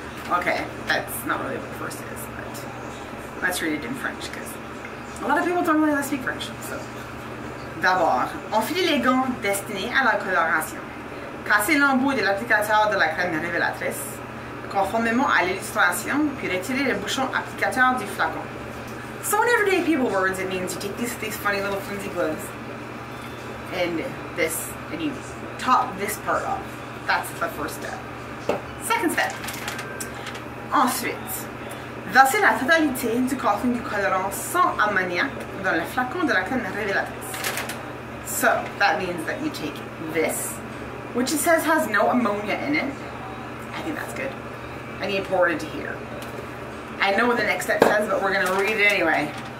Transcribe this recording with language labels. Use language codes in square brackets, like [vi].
[en] Okay, that's not really what the first is. Let's read it in French, because a lot of people don't really speak French, so. [fr] D'abord, enfilez les gants destinés à la coloration. Cassez l'embout de l'applicateur de la crème révélatrice, conformément à l'illustration, puis retirez le bouchon applicateur du flacon. [en] So in everyday people words, it means you take these funny little flimsy gloves, and you top this part off. That's the first step. Second step. [fr] Ensuite, versez la totalité du contenu du colorant sans ammoniac dans le flacon de la crème révélatrice. [en] So, that means that you take this, which it says has no ammonia in it. I think that's good. I need to pour it into here. I know what the next step says, but we're going to read it anyway.